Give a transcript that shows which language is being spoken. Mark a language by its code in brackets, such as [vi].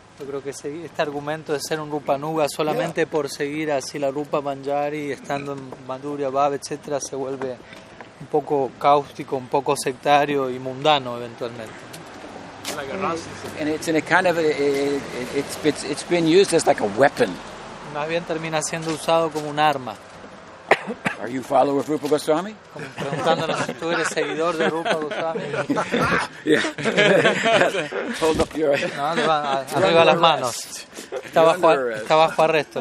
[es] Yo creo que este argumento de ser un Rupa Nuga solamente por seguir así la Rupa Manjari estando en Madhurya Bhava, etcétera, se vuelve un poco cáustico, un poco sectario y mundano eventualmente. [en] And it's in a kind of a, it's been used as like a weapon. [es] Más bien termina siendo usado como un arma. [en] Are you a follower of Rupa Goswami? [es] ¿Tú eres seguidor de Rupa Goswami? [en] Yeah. Hold up your hand. [es] No, arriba las manos. Está bajo arresto.